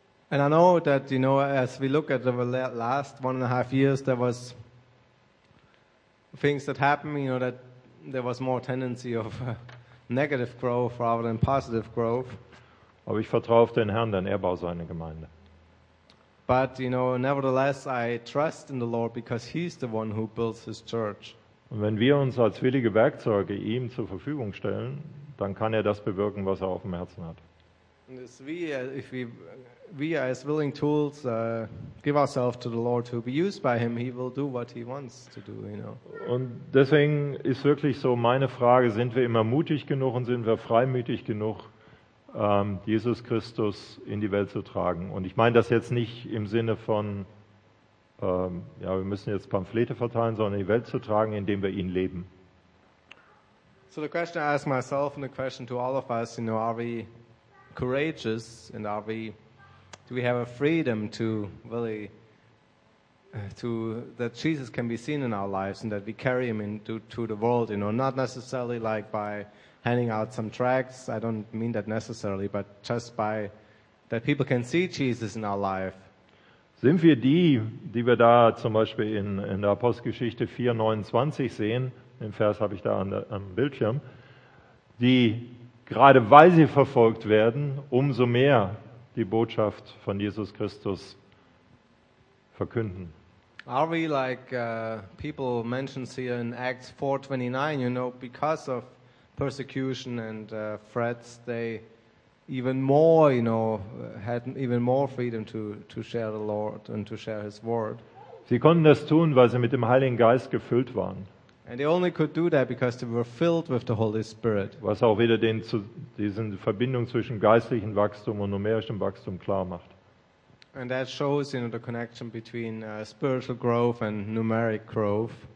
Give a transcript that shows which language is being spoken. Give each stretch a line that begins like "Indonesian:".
English: And I know that, you know, as we look at the last 1.5 years, there was things that happened, you know, that there was more tendency of negative growth rather than positive growth.
German: Aber ich vertraue auf den Herrn, denn er baut seine Gemeinde.
English: But, you know, nevertheless, I trust in the Lord because he's the one who builds his church.
German: Und wenn wir uns als willige Werkzeuge ihm zur Verfügung stellen, dann kann er das bewirken, was er auf dem Herzen hat.
English: And it's we as willing tools give ourselves to the Lord to be used by him, he will do what he wants to do, you know.
German: Und deswegen ist wirklich so meine Frage, sind wir immer mutig genug und sind wir freimütig genug, Jesus Christus in die Welt zu tragen? Und ich meine das jetzt nicht im Sinne von, ja, wir müssen jetzt Pamphlete verteilen, sondern die Welt zu tragen, indem wir ihn leben.
English: So the question I ask myself and the question to all of us, you know, are we courageous and are we, do we have a freedom to really, to that Jesus can be seen in our lives and that we carry him into to the world, you know, not necessarily like by handing out some tracts, I don't mean that necessarily, but just by that people can see Jesus in our life.
German: Sind wir die, die wir da zum Beispiel in der Apostelgeschichte 4:29 sehen, den Vers habe ich da am Bildschirm, die, gerade weil sie verfolgt werden, umso mehr die Botschaft von Jesus Christus verkünden.
English: Are we like people mentioned here in Acts 4:29, you know, because of persecution and threats, they even more, you know, had even more freedom to share the Lord and to share his word.
German: Sie konnten das tun, weil sie mit dem Heiligen Geist gefüllt waren.
English: And they only could do that because they were filled with the Holy Spirit.
German: Was auch wieder diesen Verbindung zwischen geistlichem Wachstum und numerischem Wachstum klar macht.
English: And that shows, you know, the connection between spiritual growth and numeric growth.